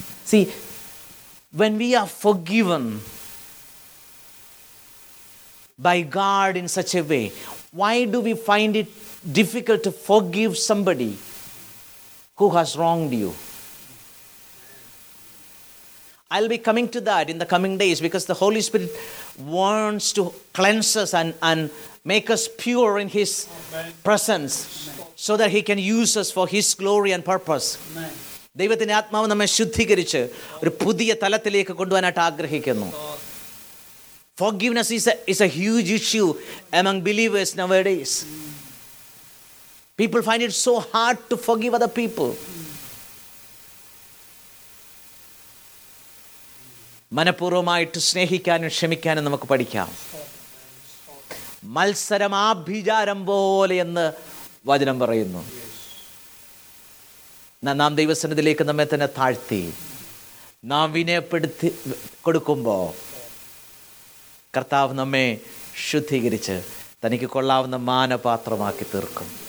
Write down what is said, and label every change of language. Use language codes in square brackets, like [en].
[en] See, when we are forgiven by God in such a way, why do we find it difficult to forgive somebody who has wronged you? I'll be coming to that in the coming days, because the Holy Spirit wants to cleanse us and make us pure in His Amen. presence. Amen. So that He can use us for His glory and purpose. [ml] ദൈവത്തിന്റെ ആത്മാവ് നമ്മെ ശുദ്ധീകരിച്ച് ഒരു പുതിയ തലത്തിലേക്ക് കൊണ്ടുവരാനായിട്ട് ആഗ്രഹിക്കുന്നു. [en] Forgiveness is a huge issue among believers nowadays. People find it so hard to forgive other people. [ml] മനഃപൂർവ്വമായിട്ട് സ്നേഹിക്കാനും ക്ഷമിക്കാനും നമുക്ക് പഠിക്കാം. മത്സരം ആഭിചാരം പോലെ എന്ന് വചനം പറയുന്നു. നാം ദൈവസന്നിധിയിലേക്ക് നമ്മെ തന്നെ താഴ്ത്തി നാം വിനയപ്പെടുത്തി കൊടുക്കുമ്പോൾ കർത്താവ് നമ്മെ ശുദ്ധീകരിച്ച് തനിക്ക് കൊള്ളാവുന്ന മാനപാത്രമാക്കി തീർക്കും.